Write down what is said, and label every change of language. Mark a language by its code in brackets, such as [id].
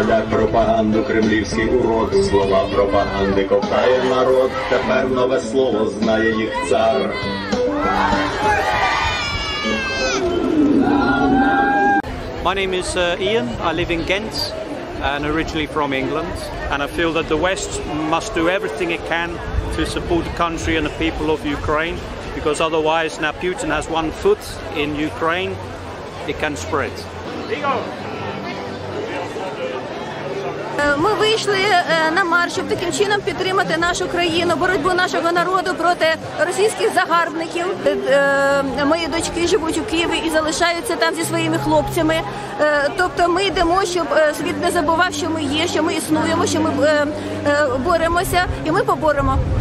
[uk] Пропаганду кремлівський урод, слова пропаганди ковтає народ. Тепер нове слово знає їх цар. [en] My name is Ian, I live in Ghent and originally from England, and I feel that the West must do everything it can to support the country and the people of Ukraine, because otherwise now Putin has one foot in Ukraine, it can spread. [uk] Ми вийшли на марш, щоб таким чином підтримати нашу країну, боротьбу нашого народу проти російських загарбників. Мої дочки живуть у Києві і залишаються там зі своїми хлопцями. Тобто ми йдемо, щоб світ не забував, що ми є, що ми існуємо, що ми боремося і ми поборемо.